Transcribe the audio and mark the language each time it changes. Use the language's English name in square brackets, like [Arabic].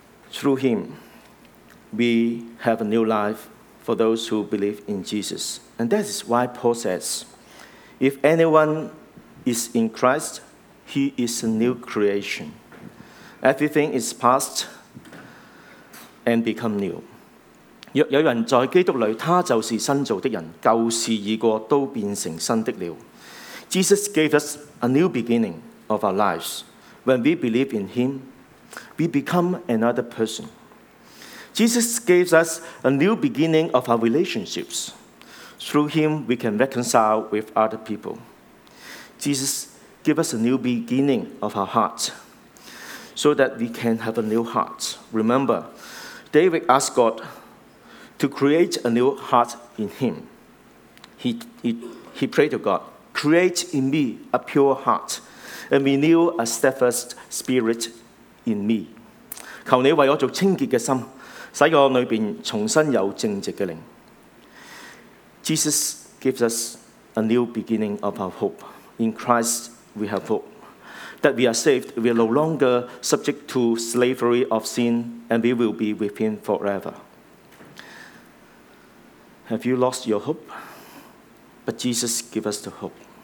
[English] Through him, we have a new life for those who believe in Jesus. And that is why Paul says, if anyone is in Christ, he is a new creation. Everything is past and become new. [Chinese] 若有人在基督里，他就是新造的人，旧事已过，都变成新的了。 [English] Jesus gave us a new beginning of our lives. When we believe in him, we become another person. Jesus gave us a new beginning of our relationships. Through him, we can reconcile with other people. Jesus gave us a new beginning of our heart so that we can have a new heart. Remember, David asked God to create a new heart in him. He prayed to God, create in me a pure heart and renew a steadfast spirit in me. [Chinese] 求你为我做清洁的心，使我里面重新有正直的灵。 [English] Jesus gives us a new beginning of our hope. In Christ, we have hope. That we are saved, we are no longer subject to slavery of sin, and we will be with him forever. Have you lost your hope? But Jesus gives us the hope.